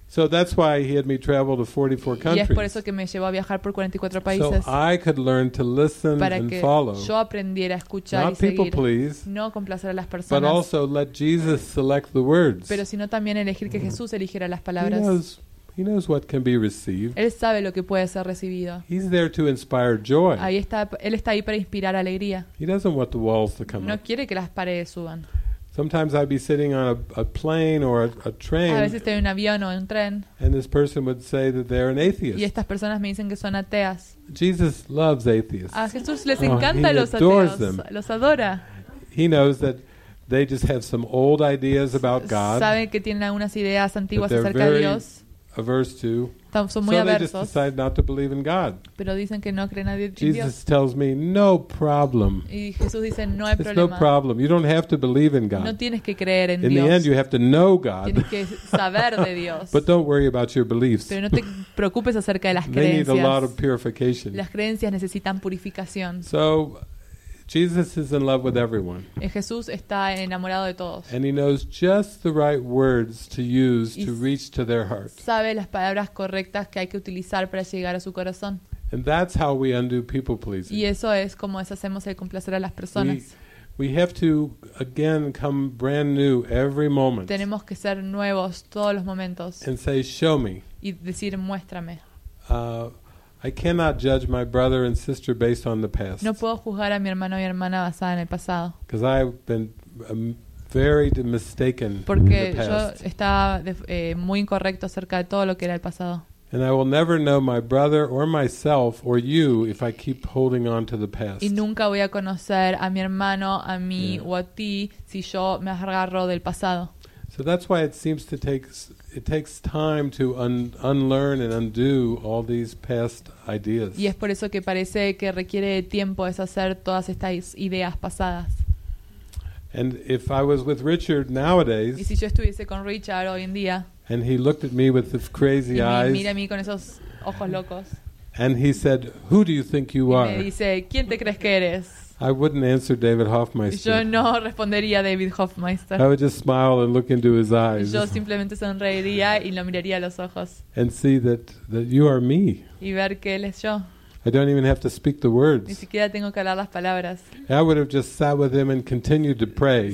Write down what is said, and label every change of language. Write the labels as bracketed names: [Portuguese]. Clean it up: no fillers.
[English] So that's why he had me travel to 44 countries. [Spanish] Y es por eso que me llevó a viajar por 44 países. [English] So I could learn to listen and follow. [Spanish] Para que yo aprendiera a escuchar [English] not [Spanish] y seguir. [English] People please, [Spanish] no complacer a las personas. [English] But also let Jesus select the words. [Spanish] Pero sino también elegir que Jesús eligiera las palabras. [English] He knows what can be received. [Spanish] Él sabe lo que puede ser recibido. [English] He's there to inspire joy. [Spanish] Ahí está, él está ahí para inspirar alegría. [English] He doesn't want the walls to come [Spanish] no [English] up. [Spanish] Quiere que las paredes suban. [English] Sometimes I'd be sitting on a plane or a train. [Spanish] A veces estoy en un avión o en un tren. [English] And this person would say that they're an atheist. [Spanish] Y estas personas me dicen que son ateas. [English] Jesus loves atheists. [Spanish] A Jesús les encanta los ateos. [English] Them. [Spanish] Los adora. [English] He knows that they just have some old ideas about God. [Spanish] Sabe que tienen algunas ideas antiguas acerca de Dios. [English] Averse to. [Spanish] Son muy [English] so they just decide not to believe in God. [Spanish] Pero dicen que no creen a Dios. [English] Jesus tells me, no problem. [Spanish] Y Jesús dice, no hay problema. [English] It's no problem. You don't have to believe in God. [Spanish] No tienes que creer en [English] in [Spanish] Dios. [English] The end, you have to know God. [Spanish] Tienes que saber de Dios. [English] But don't worry about your beliefs. [Spanish] Pero no te preocupes acerca de las creencias. [English] They need a lot of purification. [Spanish] Las creencias necesitan purificación. [English] So, Jesus is in love with everyone. [Spanish] Jesús está enamorado de todos. [English] And he knows just the right words to use to reach to their heart. [Spanish] Sabe las palabras correctas que hay que utilizar para llegar a su corazón. [English] And that's how we undo people pleasing. [Spanish] Y eso es como deshacemos el complacer a las personas. [English] We have to again come brand new every moment. [Spanish] Tenemos que ser nuevos todos los momentos. [English] And say, show me. [Spanish] Y decir, muéstrame. [English] I cannot judge my brother and sister based on the past. [Spanish] No puedo juzgar a mi hermano y hermana basada en el pasado. [English] Because I've been very mistaken [Spanish] porque [English] in the past. [Spanish] Yo estaba muy incorrecto acerca de todo lo que era el pasado. [English] And I will never know my brother or myself or you if I keep holding on to the past. [Spanish] Y nunca voy a conocer a mi hermano, a mí yeah. o a ti si yo me agarro del pasado. [English] So that's why it seems to take It takes time to unlearn and undo all these past ideas. [Spanish] Y es por eso que parece que requiere tiempo deshacer todas estas ideas pasadas. [English] And if I was with Richard nowadays, [Spanish] y si yo estuviese con Richard hoy en día, [English] and he looked at me with his crazy eyes, [Spanish] y mira a mí con esos ojos locos, [English] and he said, "Who do you think you are?" [Spanish] Y me dice, ¿quién te crees que eres? [English] I wouldn't answer David Hoffmeister. [Spanish] Yo no respondería a David Hoffmeister. [English] I would just smile and look into his eyes. [Spanish] Yo simplemente sonreiría y lo miraría a los ojos. [English] And see that you are me. [Spanish] Y ver que él es yo. [English] I don't even have to speak the words. [Spanish] Ni siquiera tengo que hablar las palabras. [English] I would have just sat with him and continued to pray.